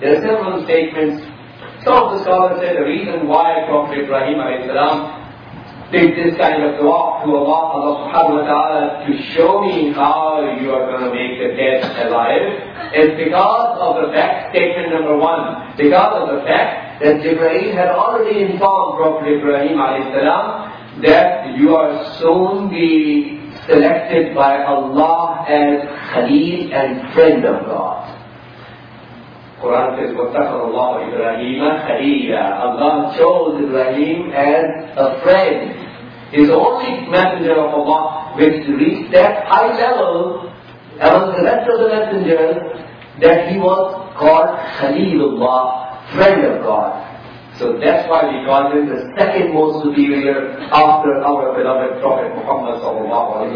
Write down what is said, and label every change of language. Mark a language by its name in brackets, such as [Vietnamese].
[English] There are several statements. Some of the scholars say the reason why Prophet Ibrahim alayhi salam did this kind of dua to Allah subhanahu wa ta'ala to show me how you are going to make the dead alive is because of the fact, statement number one, because of the fact that Jibreel had already informed Prophet Ibrahim alayhi salam that you are soon be selected by Allah as Khalil and friend of God. Quran says, [Arabic] وَتَّخَذَ اللَّهُ إِبْرَهِيمَ خَلِيلًا. [English] Allah chose Ibrahim as a friend. He's the only messenger of Allah which reached that high level among the rest of the messengers that he was called Khalilullah, friend of God. So that's why we call him the second most superior after our beloved Prophet Muhammad sallallahu alayhi